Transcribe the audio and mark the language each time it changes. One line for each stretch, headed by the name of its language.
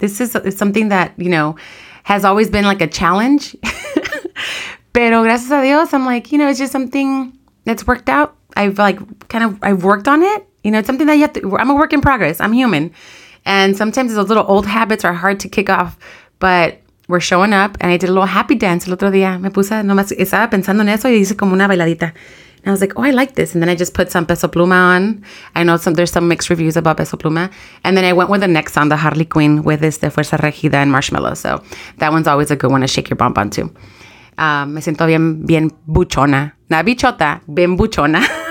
English: This is something that, you know, has always been like a challenge.
Spanish: Pero gracias a Dios,
English: I'm like, you know, it's just something that's worked out. I've worked on it. You know, it's something that you have to, I'm a work in progress. I'm human. And sometimes those little old habits are hard to kick off, but we're showing up. And I did a little happy dance
Spanish: el otro día. Me puse, nomás estaba pensando en eso y hice como una bailadita.
English: And I was like, oh, I like this. And then I just put some Peso Pluma on. I know there's some mixed reviews about Peso Pluma. And then I went with the next song, the Harley Quinn, with this de Fuerza Regida and Marshmello. So that one's always a good one to shake your bomb on too.
Spanish: Me siento bien, bien buchona. Not bichota, bien buchona.